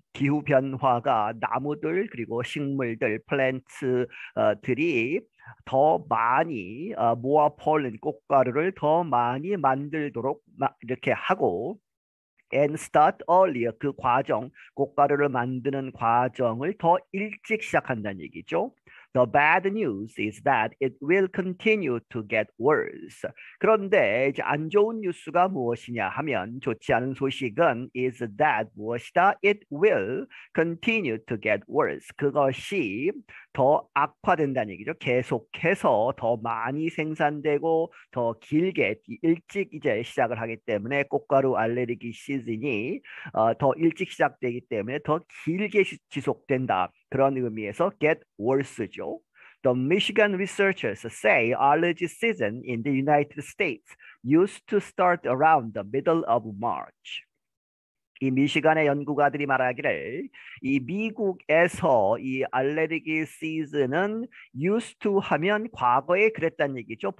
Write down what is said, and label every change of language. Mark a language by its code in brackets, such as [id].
[ko] 기후 변화가 나무들 그리고 식물들 plants들이 더 많이 모아 폴른 꽃가루를 더 많이 만들도록 이렇게 하고 [en] and start earlier [ko] 그 과정 꽃가루를 만드는 과정을 더 일찍 시작한다는 얘기죠. [en] The bad news is that it will continue to get worse. [ko] 그런데 이제 안 좋은 뉴스가 무엇이냐 하면 좋지 않은 소식은 [en] is that [ko] 무엇이다? [en] It will continue to get worse. [ko] 그것이 더 악화된다는 얘기죠. 계속해서 더 많이 생산되고 더 길게 일찍 이제 시작을 하기 때문에 꽃가루 알레르기 시즌이 더 일찍 시작되기 때문에 더 길게 지속된다. 그런 의미에서 [en] get worse [ko] 죠. [en] The Michigan researchers say allergy season in the United States used to start around the middle of March. [ko] 이 미시간의 연구가들이 말하기를 이 미국에서 이 알레르기 시즌은 [en] used to [ko] 하면 과거에 그랬다는 얘기죠.